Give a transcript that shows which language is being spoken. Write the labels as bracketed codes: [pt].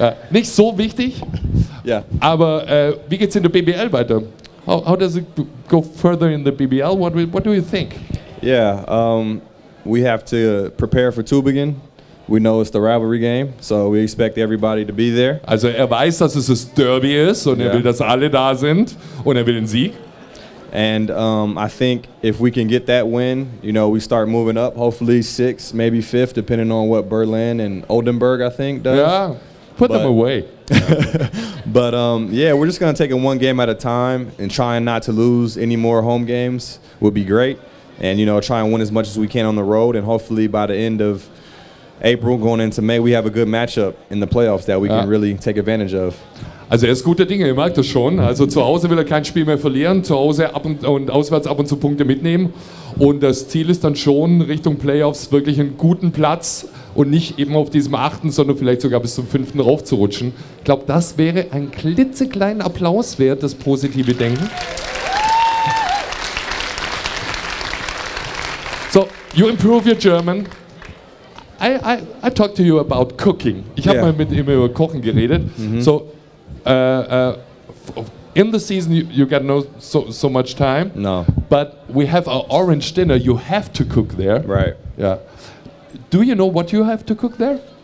[de] Nicht so wichtig. [en] Yeah. [de] Aber wie geht's in der BBL weiter? [en] How does it go further in the BBL? What do you think? Yeah. We have to prepare for Tübingen. We know it's the rivalry game, so we expect everybody to be there. [de] Also weiß, dass es das Derby ist und will, dass alle da sind und will den Sieg. [en] And I think if we can get that win, you know, we start moving up, hopefully 6th, maybe 5th, depending on what Berlin and Oldenburg, I think, does. Yeah, put them away. But, we're just going to take it one game at a time and trying not to lose any more home games would be great. And, you know, try and win as much as we can on the road. And hopefully by the end of April, going into May, we have a good matchup in the playoffs that we can really take advantage of. [de] Also er ist guter Dinge, ihr merkt das schon. Also zu Hause will er kein Spiel mehr verlieren, zu Hause ab und auswärts ab und zu Punkte mitnehmen. Und das Ziel ist dann schon Richtung Playoffs wirklich einen guten Platz und nicht eben auf diesem 8., sondern vielleicht sogar bis zum 5. raufzurutschen. Ich glaube, das wäre ein klitzekleinen Applaus wert, das positive Denken. [en] You improve your German. I talked to you about cooking. [de] Ich habe mal mit ihm über Kochen geredet. Mm-hmm. [en] So, in the season you get so much time. No. But we have an orange dinner. You have to cook there. Right. Yeah. Do you know what you have to cook there?